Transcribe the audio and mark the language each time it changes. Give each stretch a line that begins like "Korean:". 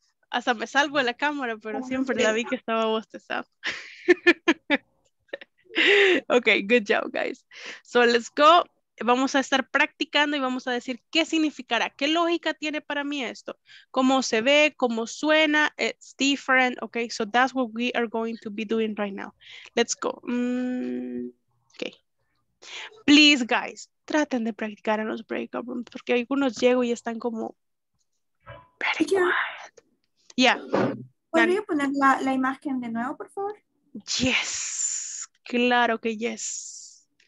Spanish: Hasta me salgo de la cámara, pero siempre la vi que estaba bostezando.
English: Ok, good job, guys. So, let's go.
Spanish: Vamos a estar practicando y vamos a decir qué significará, qué lógica tiene para mí esto. Cómo se ve, cómo suena,
English: it's different,
Spanish: ok.
English: So, that's what we are going to be doing right now. Let's go. Ok. Please, guys,
Spanish: traten de practicar en los breakout rooms, porque algunos llego y están como
English: very quiet. Yeah.
Spanish: ¿Podría poner la imagen de nuevo, por favor?
English: Yes.
Spanish: Claro que yes.